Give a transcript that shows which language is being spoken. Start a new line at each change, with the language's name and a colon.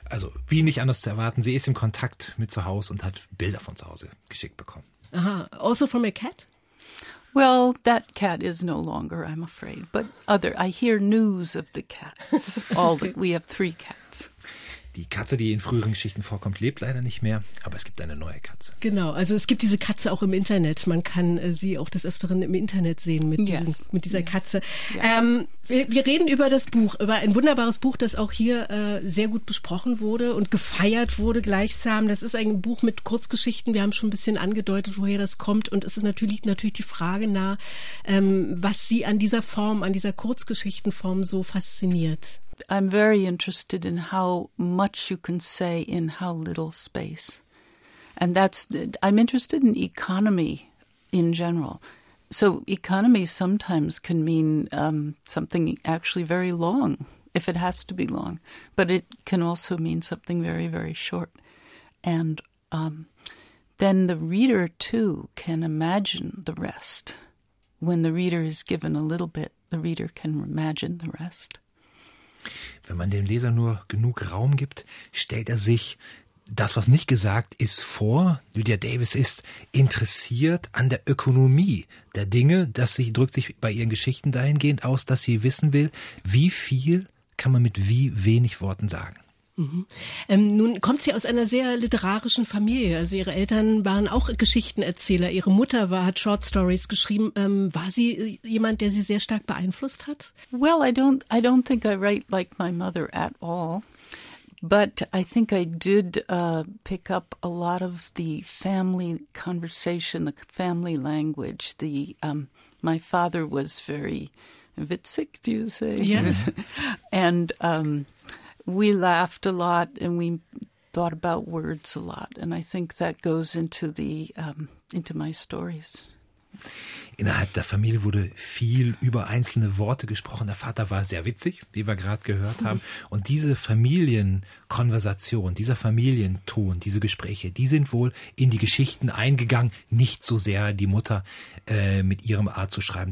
German: Also, wie nicht anders zu erwarten, sie ist im Kontakt mit zu Hause und hat Bilder von zu Hause geschickt bekommen.
English: Aha, also from a cat? Well, that cat is no longer, I'm afraid. But other, I hear news of the cats. All the, we have 3 cats.
German: Die Katze, die in früheren Geschichten vorkommt, lebt leider nicht mehr. Aber es gibt eine neue Katze. Genau, also es gibt diese Katze auch im Internet. Man kann sie auch des Öfteren im Internet sehen mit,
English: yes.
German: mit dieser Katze.
English: Yeah.
German: Wir reden über das Buch, über ein wunderbares Buch, das auch hier sehr gut besprochen wurde und gefeiert wurde gleichsam. Das ist ein Buch mit Kurzgeschichten. Wir haben schon ein bisschen angedeutet, woher das kommt. Und es ist natürlich, die Frage nahe, was Sie an dieser Form, an dieser Kurzgeschichtenform so fasziniert.
English: I'm very interested in how much you can say in how little space. And that's, I'm interested in economy in general. So economy sometimes can mean something actually very long, if it has to be long. But it can also mean something very, very short. And then the reader, too, can imagine the rest. When the reader is given a little bit, the reader can imagine the rest.
German: Wenn man dem Leser nur genug Raum gibt, stellt er sich das, was nicht gesagt ist, vor. Lydia Davis ist interessiert an der Ökonomie der Dinge. Das drückt sich bei ihren Geschichten dahingehend aus, dass sie wissen will, wie viel kann man mit wie wenig Worten sagen. Mhm. Nun kommt sie aus einer sehr literarischen Familie. Also ihre Eltern waren auch Geschichtenerzähler. Ihre Mutter hat Short Stories geschrieben. War sie jemand, der sie sehr stark beeinflusst hat?
English: Well, I don't think I write like my mother at all. But I think I did pick up a lot of the family conversation, the family language. The my father was very witzig, do you say? Yes. And we laughed a lot and we thought about words a lot. And I think that goes into the into my stories.
German: Innerhalb der Familie wurde viel über einzelne Worte gesprochen. Der Vater war sehr witzig, wie wir gerade gehört haben. Und diese Familienkonversation, dieser Familienton, diese Gespräche, die sind wohl in die Geschichten eingegangen. Nicht so sehr die Mutter mit ihrem Art zu schreiben.